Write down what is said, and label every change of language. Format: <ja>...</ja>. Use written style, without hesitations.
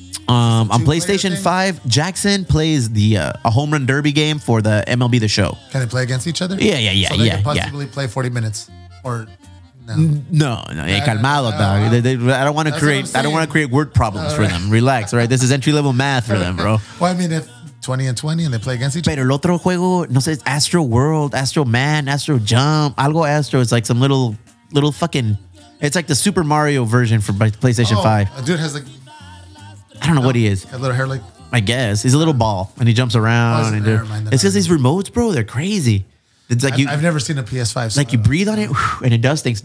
<en>On PlayStation 5, Jackson plays a home run derby game for the MLB The Show. Can they play against each other? Yeah, so they can possibly play 40 minutes or no. No, hey, calmado, dog. I don't want to create word problems for them. Relax, right? This is entry level math for them, bro. Well, I mean, if 20 and 20 and they play against each other.</en> <es>Pero el otro juego, no sé, Astro World, Astro Man, Astro Jump, Algo Astro.</es> <en>It's like some little fucking, it's like the Super Mario version for PlayStation 5. A dude has like, I don't know what he is. A little hair like? I guess. He's a little ball and he jumps around. Oh, it's because these remotes, bro, they're crazy. It's like I've never seen a PS5. So like you breathe on it and it does things.</en>